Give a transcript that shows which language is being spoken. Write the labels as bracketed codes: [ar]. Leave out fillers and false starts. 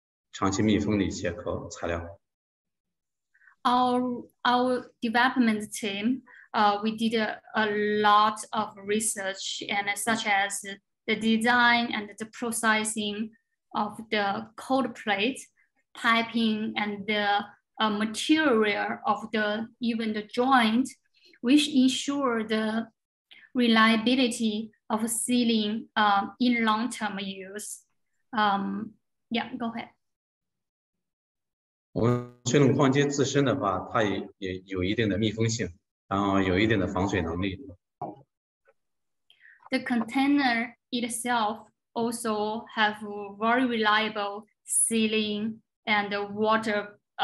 [zh] 比如在冷板的一些设计和加工管路跟接头的一些材料的选型的方面，我们都会选择一些能够长期可靠使用、长期密封的一些材料。 [en] Our development team, we did a lot of research and such as the design and the processing of the cold plate, piping and the material of the even the joint, which ensure the reliability of sealing in long term use. Go ahead. [zh] 我们水冷矿机自身的话，它也有一定的密封性，然后有一定的防水能力。 [en] The container itself also have very reliable sealing and water.